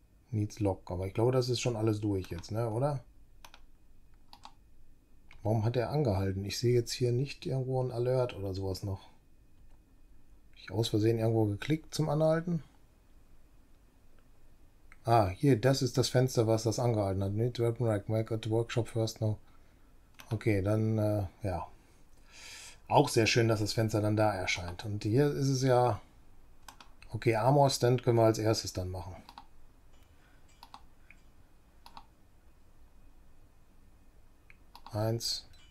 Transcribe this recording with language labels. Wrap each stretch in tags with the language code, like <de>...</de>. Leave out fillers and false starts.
<en>Needs lock,</en> <de>aber ich glaube, das ist schon alles durch jetzt, ne, oder? Warum hat er angehalten? Ich sehe jetzt hier nicht irgendwo ein Alert oder sowas noch. Hab ich aus Versehen irgendwo geklickt zum Anhalten? Ah, hier, das ist das Fenster, was das angehalten hat.</de> <en>Need weapon rack, make at the workshop first now.</en> <de>Okay, dann, ja. Auch sehr schön, dass das Fenster dann da erscheint. Und hier ist es ja. Okay, Armor Stand können wir als erstes dann machen. Eins.</de>